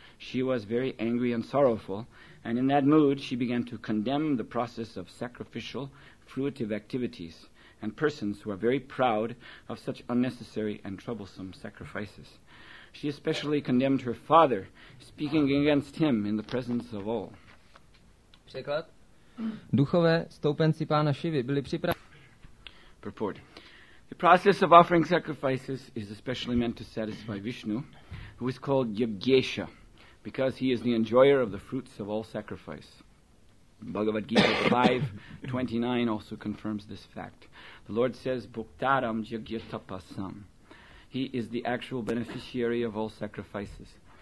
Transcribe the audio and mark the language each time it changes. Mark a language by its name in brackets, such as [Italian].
[English] She was very angry and sorrowful, and in that mood she began to condemn the process of sacrificial, fruitive activities and persons who are very proud of such unnecessary and troublesome sacrifices. She especially condemned her father, speaking against him in the presence of all. [Czech] Překlad? Duchové, stoupenci pána Šivy, byli připraveni. [English] Purport. The process of offering sacrifices is especially meant to satisfy Vishnu, who is called Yagyesha, because he is the enjoyer of the fruits of all sacrifice. Bhagavad Gita 5:29 also confirms this fact. The Lord says, [Sanskrit] Bhuktaram Yagyatapasam. [English] He is the actual beneficiary of all sacrifices.